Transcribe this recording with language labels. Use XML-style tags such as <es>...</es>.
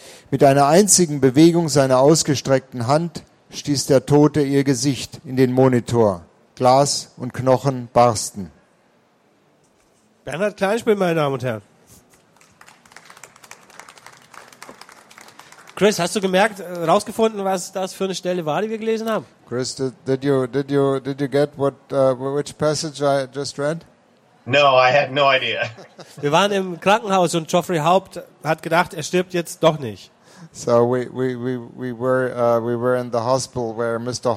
<de>Mit einer einzigen Bewegung seiner ausgestreckten Hand stieß der Tote ihr Gesicht in den Monitor. Glas und Knochen barsten. Bernhard Kleinspiel, meine Damen und Herren. Chris, hast du gemerkt, rausgefunden, was das für eine Stelle war, die wir gelesen haben?</de> <en>Chris, did you get what which passage I just read? No, I had no idea.</en> <de>Wir waren im Krankenhaus und Geoffrey Haupt hat gedacht, er stirbt jetzt doch nicht.</de> <en>So we were in the hospital where Mr.</en>